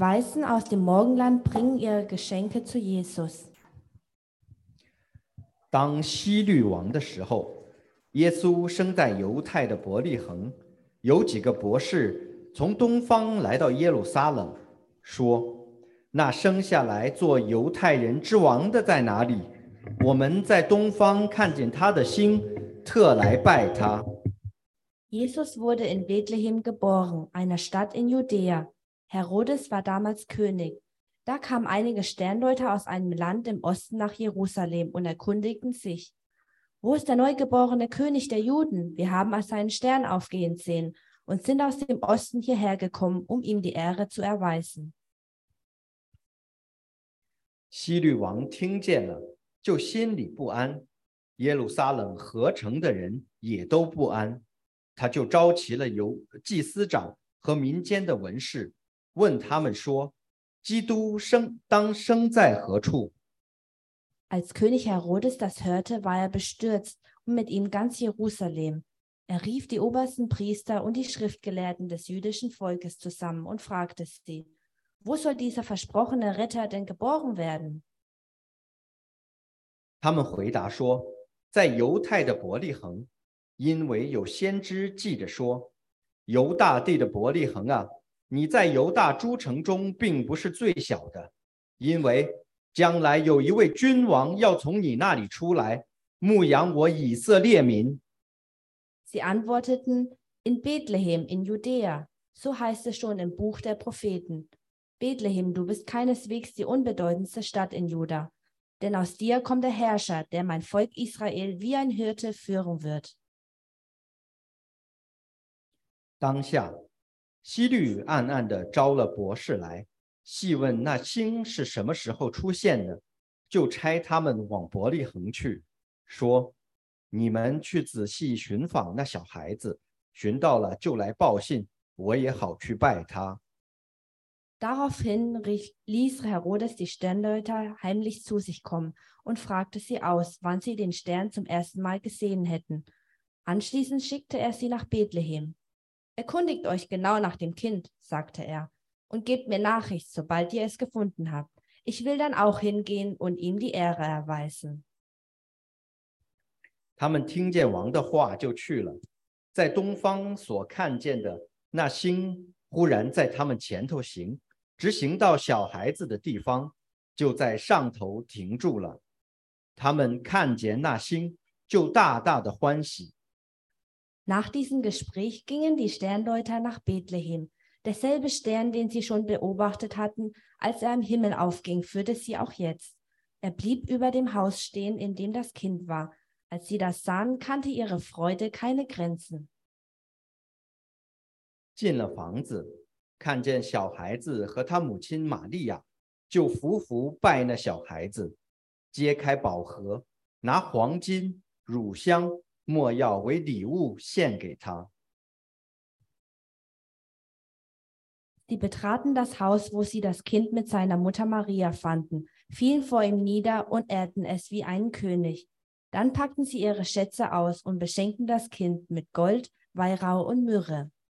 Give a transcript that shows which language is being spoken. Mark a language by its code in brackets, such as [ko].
[de] Weisen aus dem Morgenland bringen ihre Geschenke zu Jesus. [zh] 当希律王的时候，耶稣生在犹太的伯利恒。有几个博士从东方来到耶路撒冷，说：“那生下来做犹太人之王的在哪里？我们在东方看见他的星，特来拜他。” [de] Jesus wurde in Bethlehem geboren, einer Stadt in Judäa. Herodes war damals König. Da kamen einige Sterndeuter aus einem Land im Osten nach Jerusalem und erkundigten sich: Wo ist der neugeborene König der Juden? Wir haben seinen Stern aufgehen sehen und sind aus dem Osten hierher gekommen, um ihm die Ehre zu erweisen. [zh] 希律王听见了，就心里不安，耶路撒冷合城的人也都不安，他就召集了由祭司长和民间的文士，问他们说，基督生当生在何处？ [de] Als König Herodes das hörte, war er bestürzt und mit ihm ganz Jerusalem. Er rief die obersten Priester und die Schriftgelehrten des jüdischen Volkes zusammen und fragte sie, wo soll dieser versprochene Retter denn geboren werden? [zh] 他们回答说，在犹太的伯利恒，因为有先知记着说，犹大地的伯利恒啊，你在犹大诸城中并不是最小的，因为将来有一位君王要从你那里出来，牧养我以色列民。 [de] Sie antworteten, in Bethlehem, in Judäa, so heißt es schon im Buch der Propheten. Bethlehem, du bist keineswegs die unbedeutendste Stadt in Juda, denn aus dir kommt der Herrscher, der mein Volk Israel wie ein Hirte führen wird. [zh] 当下，希律暗暗地招了博士来，细问那星是什么时候出现的，就差他们往伯利恒去，说你们去仔细寻访那小孩子，寻到了就来报信，我也好去拜他。 [de] Daraufhin ließ Herodes die Sternleuter heimlich zu sich kommen und fragte sie aus, wann sie den Stern zum ersten Mal gesehen hätten. Anschließend schickte er sie nach Bethlehem. Erkundigt euch genau nach dem Kind, sagte er, und gebt mir Nachricht, sobald ihr es gefunden habt. Ich will dann auch hingehen und ihm die Ehre erweisen. [zh] 他们听见王的话就去了，在东方所看见的那星忽然在他们前头行，直行到小孩子的地方，就在上头停住了。他们看见那星，就大大的欢喜。 [de] Nach diesem Gespräch gingen die Sternleuter nach Bethlehem. Derselbe Stern, den sie schon beobachtet hatten, als er im Himmel aufging, führte sie auch jetzt. Er blieb über dem Haus stehen, in dem das Kind war. Als sie das sahen, kannte ihre Freude keine Grenzen. [zh] 进了房子，看见小孩子和他母亲玛利亚，就伏伏拜那小孩子，揭开宝盒，拿黄金、乳香、莫要为礼物献给他。 [de] Sie betraten das Haus, wo sie das Kind mit seiner Mutter Maria fanden, fielen vor ihm nieder und ehrten es wie einen König. Dann packten sie ihre Schätze aus und beschenkten das Kind mit Gold, Weihrauch und Myrrhe.